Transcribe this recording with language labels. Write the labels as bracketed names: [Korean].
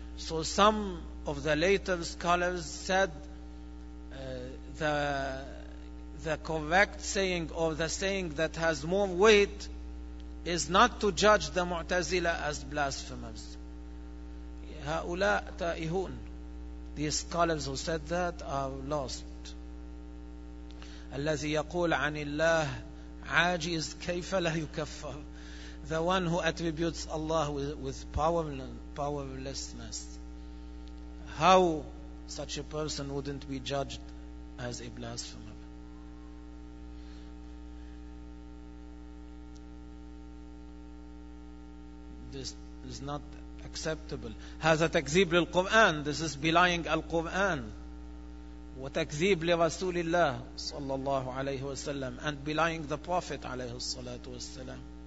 [English] So some of the later scholars said the correct saying, or the saying that has more weight, is not to judge the Mu'tazila as blasphemers. [Arabic] هؤلاء تائهون. [English] These scholars who said that are lost. [Arabic] الذي يقول عن الله عاجز كيف لا يكفر. [English] The one who attributes Allah with powerlessness. How such a person wouldn't be judged as a blasphemer? This is not acceptable. [Arabic] هذا تكذيب للقرآن. [English] This is belying Al-Quran. [Arabic] وتكذيب لرسول الله صلى الله عليه وسلم. [English] And belying the Prophet [Arabic] عليه الصلاة والسلام.